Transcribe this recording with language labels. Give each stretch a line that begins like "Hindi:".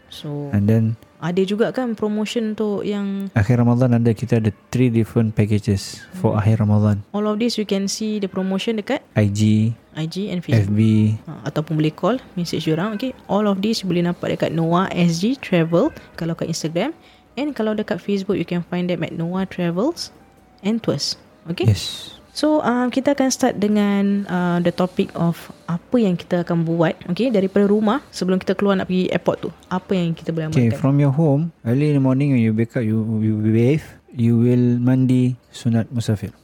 English: So, and then
Malay: ada juga kan promotion untuk yang akhir Ramadan, ada kita ada 3
English: different packages for
Malay: akhir Ramadan.
English: All of this you can see the promotion dekat IG and Facebook, FB
Malay: ataupun boleh call message orang.
English: Okay, all of this
Malay: boleh nampak dekat
English: Noah SG Travel
Malay: kalau kat
English: Instagram, and
Malay: kalau dekat
English: Facebook you can find them at Noah Travels and Tours. Okay, yes.
Malay: So kita akan start dengan
English: the topic of
Malay: apa yang kita akan buat. Okay, daripada rumah sebelum kita keluar nak pergi airport tu, apa yang kita boleh amalkan?
English: Okay, from your home early in the morning when you wake up, you bathe, you will
Malay: mandi sunat musafir.